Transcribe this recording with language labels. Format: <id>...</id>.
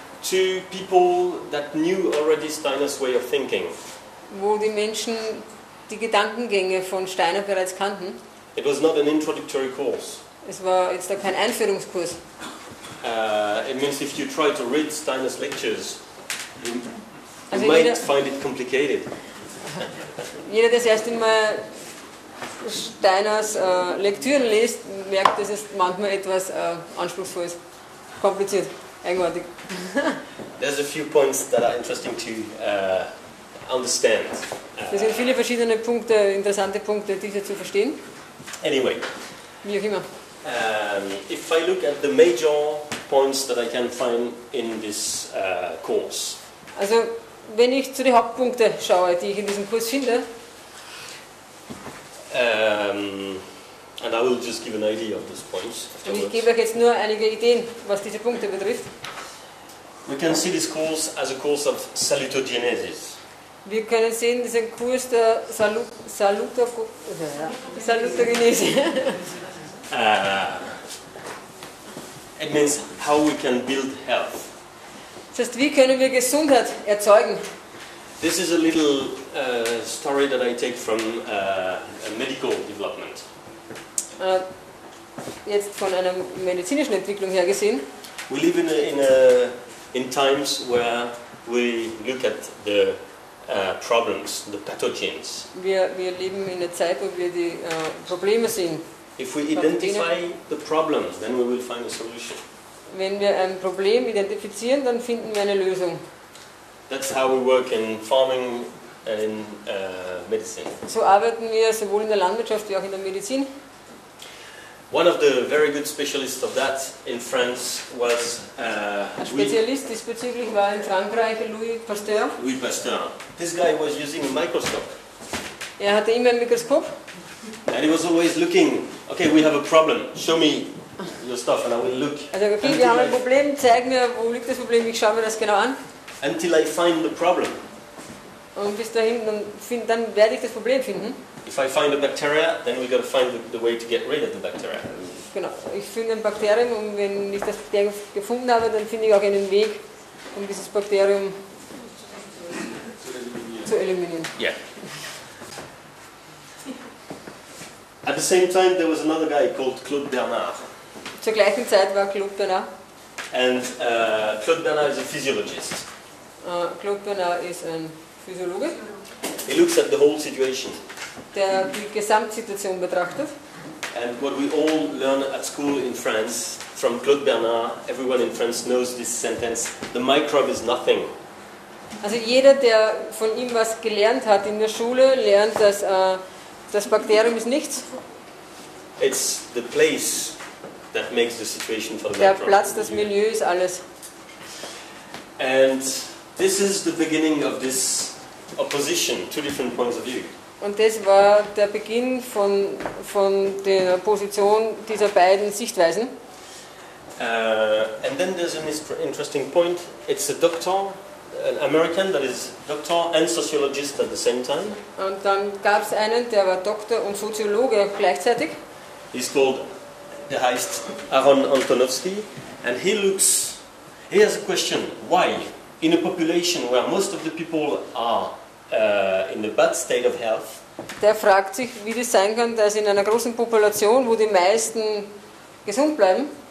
<en>To people that knew already Steiner's way of thinking.</en> <de>Wo die Menschen die Gedankengänge von Steiner bereits kannten.</de> <en>It was not an introductory course.</en> <de>Es war jetzt da kein Einführungskurs.</de> <en>It means if you try to read Steiner's lectures, you might find it complicated.</en> <de>Jeder, der das erste Mal Steiners Lektüren liest, merkt, dass es manchmal etwas anspruchsvoll ist. Kompliziert, eigenartig.</de> <en>There's a few points that are interesting to understand.</en> <de>Es sind viele verschiedene Punkte, interessante Punkte, diese zu verstehen.</de> <en>Anyway.</en> <de>Wie auch immer.</de> <en>If I look at the major points that I can find in this course.</en> <de>Also, wenn ich zu den Hauptpunkten schaue, die ich in diesem Kurs finde.</de> <en>And I will just give an idea of those points.</en> <de>Und ich gebe euch jetzt nur einige Ideen, was diese Punkte betrifft.</de> <en>We can see this course as a course of salutogenesis.</en> <de>Wir können sehen, das ist ein Kurs der Salutogenese.</de> <en>It means how we can build health.</en> <de>Das heißt, wie können wir Gesundheit erzeugen?</de> <en>This is a little story that I take from a medical development.</en> <de>Jetzt von einer medizinischen Entwicklung her gesehen.</de> <en>We live in times where we look at the problems, the pathogens.</en> <de>Wir leben in einer Zeit, wo wir die Probleme sehen.</de> <en>If we identify the problem, then we will find a solution.</en> <de>Wenn wir ein Problem identifizieren, dann finden wir eine Lösung.</de> <en>That's how we work in farming and in medicine.</en> <de>So arbeiten wir sowohl in der Landwirtschaft wie auch in der Medizin.</de> <en>One of the very good specialists of that in France was</en> <de>ein Spezialist diesbezüglich war in Frankreich Louis Pasteur.</de> <en>Louis Pasteur. This guy was using a microscope.</en> <de>Er hatte immer ein Mikroskop.</de> <en>And he was always looking, okay, we have a problem, show me your stuff and I will look.</en> <de>Also okay, wir haben ein Problem, zeig mir, wo liegt das Problem, ich schaue mir das genau an.</de> <en>Until I find the problem.</en> <de>Und bis dahin, dann werde ich das Problem finden.</de> <en>If I find a bacteria, then we got to find the way to get rid of the bacteria.</en> <de>Genau, ich finde ein Bakterium und wenn ich das Bakterium gefunden habe, dann finde ich auch einen Weg, um dieses Bakterium zu eliminieren.</de> <en>Yeah. At the same time, there was another guy called Claude Bernard.</en> <de>Zur gleichen Zeit war Claude Bernard.</de> <en>And Claude Bernard is a physiologist.</en> <de>Claude Bernard ist ein Physiologe.</de> <en>He looks at the whole situation.</en> <de>Der die Gesamtsituation betrachtet.</de> <en>And what we all learn at school in France, from Claude Bernard, everyone in France knows this sentence, the microbe is nothing.</en> <de>Also jeder, der von ihm was gelernt hat in der Schule, lernt, dass das Bakterium ist nichts.</de> <en>It's the place that makes the situation for the</en> <de>Der Platz, das Milieu ist alles.</de> <en>And this is the beginning of this opposition, two different points of view.</en> <de>Und das war der Beginn von der Position dieser beiden Sichtweisen.</de> <en>And then there's an interesting point. It's a doctor. An American that is doctor and sociologist at the same time.</en> <de>Und dann gab es einen, der war Doktor und Soziologe gleichzeitig.</de> <en>He's called,</en> <de>der heißt</de> <en>Aaron Antonovsky, and he has a question: why, in a population where most of the people are in a bad state of health?</en> <de>Der fragt sich, wie das sein kann, dass in einer großen Population, wo die meisten gesund bleiben,</de>